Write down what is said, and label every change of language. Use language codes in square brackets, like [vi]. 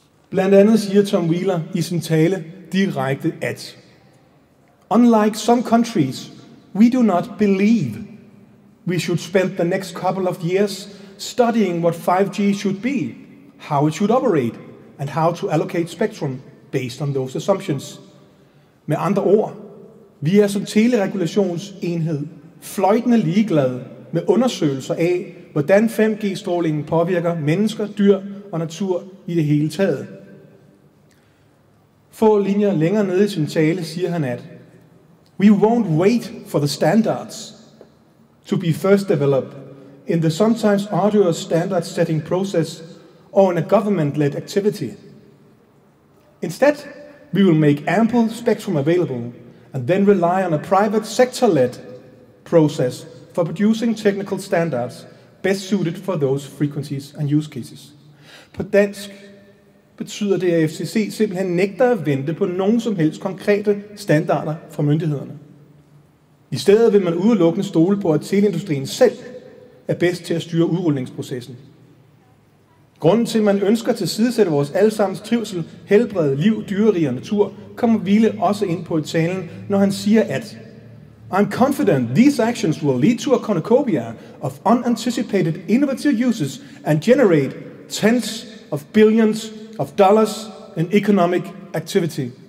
[da] Blandt andet siger Tom Wheeler i sin tale direkte at [en] unlike some countries, we do not believe we should spend the next couple of years studying what 5G should be, how it should operate, and how to allocate spectrum based on those assumptions. [da] Med andre ord, vi er som teleregulationsenhed fløjtende ligeglade med undersøgelser af, hvordan 5G-strålingen påvirker mennesker, dyr og natur i det hele taget. Få linjer længere nede i sin tale siger han at [en] we won't wait for the standards to be first developed in the sometimes arduous standard setting process or in a government-led activity. Instead, we will make ample spectrum available and then rely on a private sector-led process for producing technical standards best suited for those frequencies and use cases. [da] På dansk betyder det, at FCC simpelthen nægter at vente på nogen som helst konkrete standarder fra myndighederne. I stedet vil man udelukkende stole på, at teleindustrien selv er bedst til at styre udrulningsprocessen. Grunden til, at man ønsker til at sidesætte vores allesammens trivsel, helbred, liv, dyrerige og natur, kommer Wheeler også ind på i talen, når han siger at [en] I'm confident these actions will lead to a cornucopia of unanticipated innovative uses and generate tens of billions of dollars and economic activity.